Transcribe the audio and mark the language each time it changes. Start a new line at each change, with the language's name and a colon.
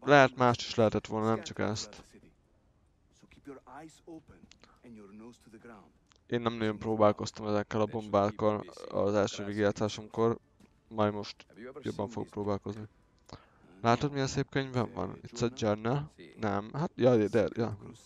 Hungarian: Lehet mást is lehetett volna, nem csak ezt.
English: So keep your eyes open and your nose to the ground.
Hungarian: Én nem nagyon próbálkoztam ezekkel a bombákkal az első végigjátszásomkor. Majd most jobban fogok próbálkozni. Látod, milyen szép könyvem van?
English: It's a journal.
Hungarian: Nem, hát, jaj, de, ja.